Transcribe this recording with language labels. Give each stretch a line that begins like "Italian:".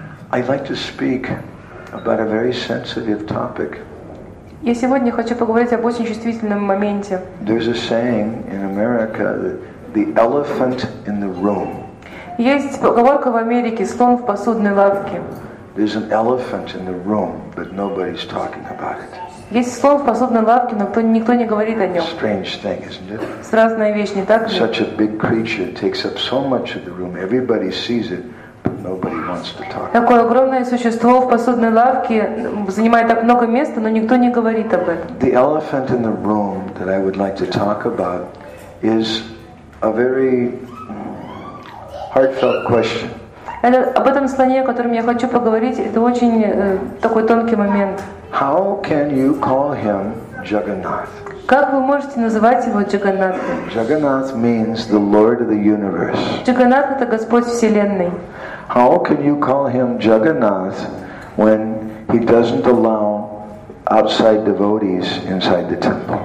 English: I'd like to speak about a very sensitive topic.
Russian: Я сегодня хочу поговорить об очень чувствительном моменте.
English: There's a saying in America, the elephant in the room.
Russian: Есть поговорка в Америке, слон в посудной лавке.
English: There's an elephant in the room, but nobody's talking about it.
Russian: Есть слон в посудной лавке, но никто не говорит о нем.
English: Strange thing, isn't it?
Russian: Странная вещь, не так ли?
English: Such a big creature takes up so much of the room, everybody sees it. But nobody wants to talk.
Russian: Такое огромное существо в посудной лавке занимает так много места, но никто не говорит об этом.
English: The elephant in the room that I would like to talk about is a very heartfelt question.
Russian: Это об этом слоне, о котором я хочу поговорить, это очень такой тонкий момент.
English: How can you call him Jagannath?
Russian: Как вы можете называть его Джаганнатом?
English: Jagannath means the Lord of the universe.
Russian: Джаганнат это Господь Вселенной.
English: How can you call him Jagannath when he doesn't allow outside devotees inside the temple?